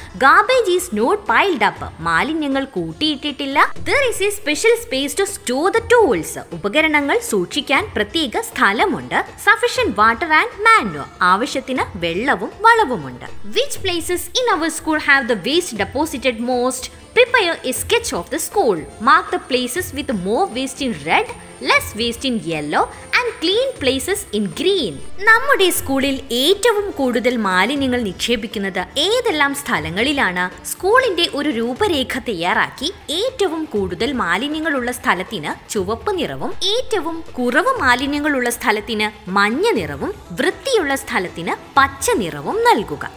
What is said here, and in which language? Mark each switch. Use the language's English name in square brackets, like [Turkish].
[English] garbage is not piled up, [Malayalam] മാലിന്യങ്ങൾ കൂട്ടിയിട്ടിട്ടില്ല. [English] there is a special space to store the tools, [Malayalam] ഉപകരണങ്ങൾ സൂക്ഷിക്കാൻ പ്രത്യേക സ്ഥലമുണ്ട്. [English] sufficient water and manure, [Malayalam] ആവശ്യത്തിന് വെള്ളവും വളവുമുണ്ട്. [English] Which places in our school have the waste deposited most? Prepare a sketch of the school. Mark the places with more waste in red, less waste in yellow, and clean places in green. [Malayalam] നമ്മുടെ സ്കൂളിൽ ഏറ്റവും കൂടുതൽ മാലിന്യങ്ങൾ നിക്ഷേപിക്കുന്നത് ഏതെല്ലാം സ്ഥലങ്ങളിലാണ്? സ്കൂളിന്റെ ഒരു രൂപരേഖ തയ്യാറാക്കി ഏറ്റവും കൂടുതൽ മാലിന്യങ്ങളുള്ള സ്ഥലത്തിന് ചുവപ്പ് നിറവും ഏറ്റവും കുറവ് മാലിന്യങ്ങളുള്ള സ്ഥലത്തിന് മഞ്ഞ നിറവും വൃത്തിയുള്ള സ്ഥലത്തിന് പച്ച നിറവും നൽകുക.